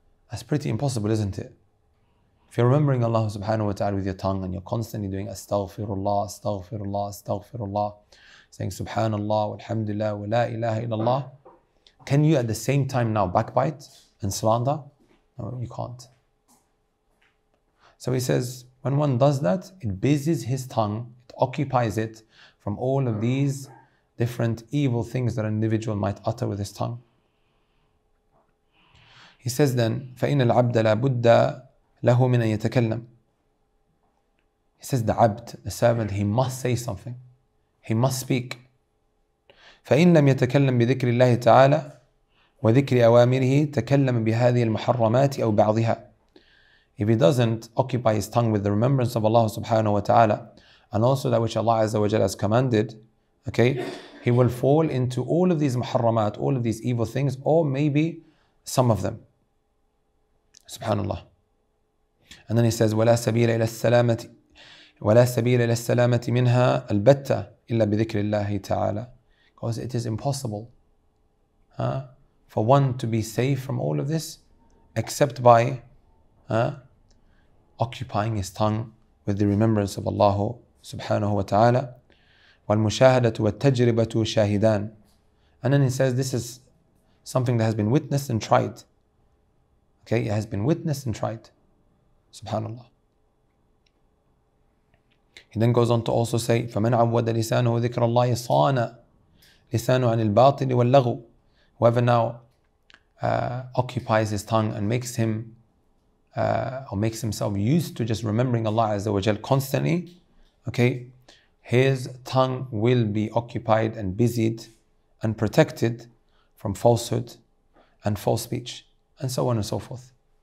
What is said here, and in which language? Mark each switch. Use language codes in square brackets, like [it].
[en] That's pretty impossible, isn't it? If you're remembering Allah subhanahu wa ta'ala with your tongue and you're constantly doing astaghfirullah, astaghfirullah, astaghfirullah, saying subhanallah, walhamdulillah, wa la ilaha illallah, can you at the same time now backbite and slander? No, you can't. So he says, when one does that, it busies his tongue, it occupies it from all of these different evil things that an individual might utter with his tongue. He says then, [ar] فَإِنَّ الْعَبْدَ لَا بُدَّ له من أن يتكلم. [en] He says the abd, the servant, he must say something. He must speak. [ar] فإن لم يتكلم بذكر الله تعالى وذكر أوامره تكلم بهذه المحرمات أو بعضها. [en] If he doesn't occupy his tongue with the remembrance of Allah subhanahu wa ta'ala and also that which Allah azza wa jalla has commanded, okay, he will fall into all of these muharramat, all of these evil things, or maybe some of them. Subhanallah. And then he says, [ar] وَلَا سَبِيلَ إِلَى السَّلَامَةِ وَلَا سَبِيلَ إِلَى السَّلَامَةِ مِنْهَا أَلْبَتَّ إِلَّا بِذِكْرِ اللَّهِ تَعَالَى. [en] Because it is impossible for one to be safe from all of this except by occupying his tongue with the remembrance of Allah subhanahu wa ta'ala. [ar] وَالْمُشَاهَدَةُ وَالْتَجْرِبَةُ شَاهِدًا. [en] And then he says, this is something that has been witnessed and tried. Okay, it has been witnessed and tried. Subhanallah. He then goes on to also say, [ar] فَمَنْ عَوَّدَ لِسَانُهُ ذِكْرَ اللَّهِ صَانَ لِسَانُهُ عَنِ الْبَاطِلِ وَاللَّغُ. [en] Whoever now occupies his tongue and makes him or makes himself used to just remembering Allah Azza wa Jal constantly, okay, his tongue will be occupied and busied and protected from falsehood and false speech and so on and so forth.